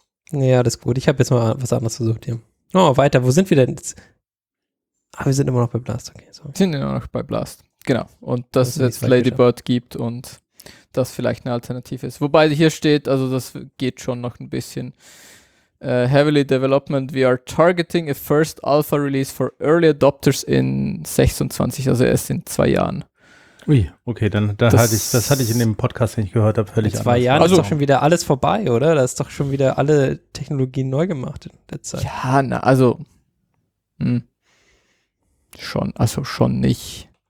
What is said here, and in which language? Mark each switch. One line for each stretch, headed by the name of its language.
German: Ja, das ist gut. Ich habe jetzt mal was anderes versucht hier. Oh, weiter, wo sind wir denn jetzt? Ah, wir sind immer noch bei Blast, okay. So. Sind immer noch bei Blast, genau. Und dass es jetzt Lady Bird gibt und das vielleicht eine Alternative ist. Wobei hier steht, also das geht schon noch ein bisschen.
English: Heavily Development, we are targeting a first Alpha Release for early adopters in 26,
German: also erst in 2 Jahren. Ui, okay, dann hatte ich in dem Podcast, den ich gehört habe, völlig anders. In 2 Jahren ist doch schon wieder alles vorbei, oder? Da ist doch schon wieder alle Technologien neu gemacht in der Zeit. Ja, na, also schon nicht.